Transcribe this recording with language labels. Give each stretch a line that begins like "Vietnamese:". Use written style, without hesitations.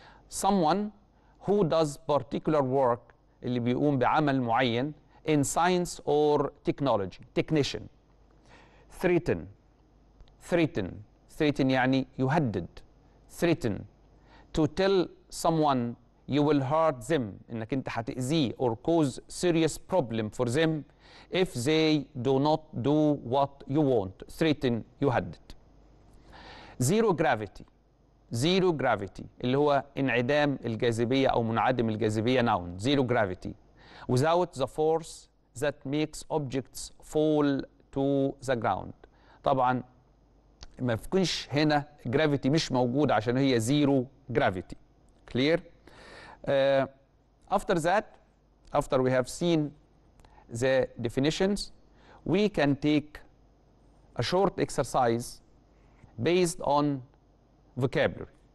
English: Someone who does particular work
Arabic: اللي بيقوم بعمل معين
English: in science or technology. Technician. Threaten
Arabic: يعني يهدد.
English: Threaten to tell someone you will hurt them
Arabic: انك انت هتأذيه
English: or cause serious problem for them if they do not do what you want. Threaten
Arabic: يهدد. Zero gravity اللي هو انعدام الجاذبية او منعدم الجاذبية noun.
English: Zero gravity without the force that makes objects fall to the ground.
Arabic: طبعا ما فيكنش هنا gravity مش موجود عشان هي zero gravity.
English: Clear. After we have seen the definitions, we can take a short exercise based on vocabulary.